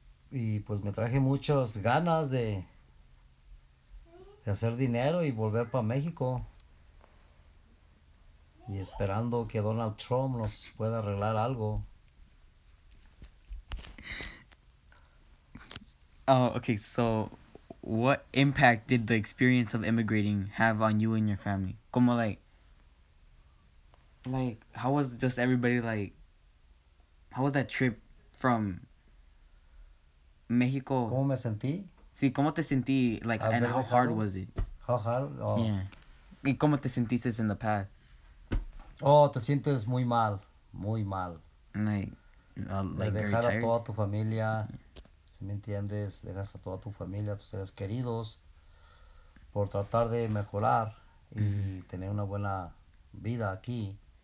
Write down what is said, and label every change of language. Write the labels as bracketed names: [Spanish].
[Spanish] Y pues me traje muchas ganas de hacer dinero y volver para México. Y esperando que Donald Trump nos pueda arreglar algo. [English] Oh, okay, so what impact did the experience of immigrating have on you and your family? Como, like, how was just everybody, like, how was that trip from Mexico? [Spanish] ¿Cómo me sentí? Sí, ¿cómo te sentí, [English] like, and how hard was it? How hard? Oh. Yeah. [Spanish] ¿Y cómo te sentiste [English] in the path? [Spanish] Oh, te sientes muy mal. Muy mal. Like [English] very tired. [Spanish] Dejar a toda tu familia. ¿Me entiendes? Dejas a toda tu familia, a tus seres queridos, por tratar de mejorar y tener una buena vida aquí.